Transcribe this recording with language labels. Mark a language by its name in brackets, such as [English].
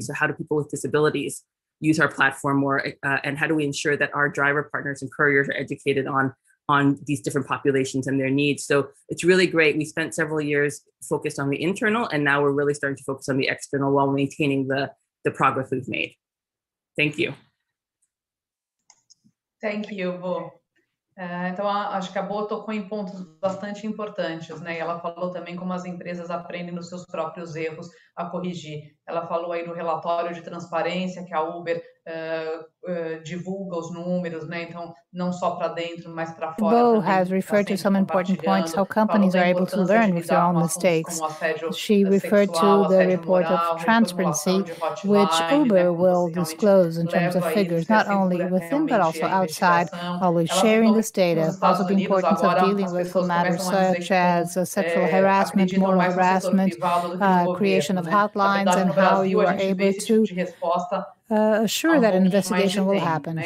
[English] So how do people with disabilities use our platform more? And how do we ensure that our driver partners and couriers are educated on these different populations and their needs? So it's really great. We spent several years focused on the internal, and now we're really starting to focus on the external while maintaining the progress we've made. Thank you. Thank you, Bo. [Portuguese] Então, acho que a Bo tocou em pontos bastante importantes, né? E ela falou também como as empresas aprendem nos seus próprios erros a corrigir. Ela falou aí no relatório de transparência que a Uber divulga os números, né? Então, não só para dentro, mas para fora. [English] Bo has referred to some important points, how companies are able to learn with their own mistakes. She referred to the report of transparency, which Uber will disclose in terms of figures, not only within, but also outside, always sharing this data. Also the importance of dealing with matters such as sexual harassment, moral harassment, creation of hotlines, and how you are able to assure that an investigation will happen.